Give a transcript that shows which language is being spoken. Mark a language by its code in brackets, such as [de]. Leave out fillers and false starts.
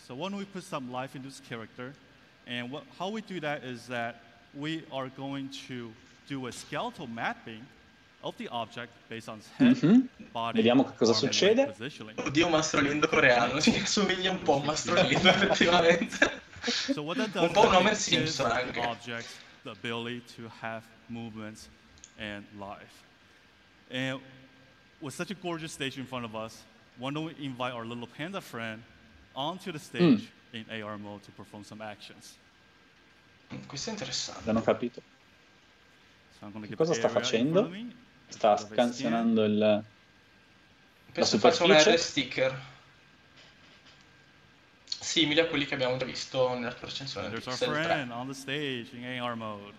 [en] So when we put some life into this character, and how we do that is that we are going to do a skeletal mapping of the object based on its head, body, [it] vediamo che cosa succede. Oddio, Mastro Lindo coreano, ci assomiglia un po' a Mastro Lindo effettivamente. [en] So what that does, [it] un po' un Homer Simpson anche. [en] Objects, the ability to have movements and life. And with such a gorgeous stage in front of us, why don't we invite our little panda friend onto the stage in AR mode to perform some actions? [it] Questo è interessante. Non ho capito. Cosa sta facendo? Sta scansionando il... Penso faccia un R sticker. Simile a quelli che abbiamo già visto nella recensione. [en] There's our friend on the stage in AR mode.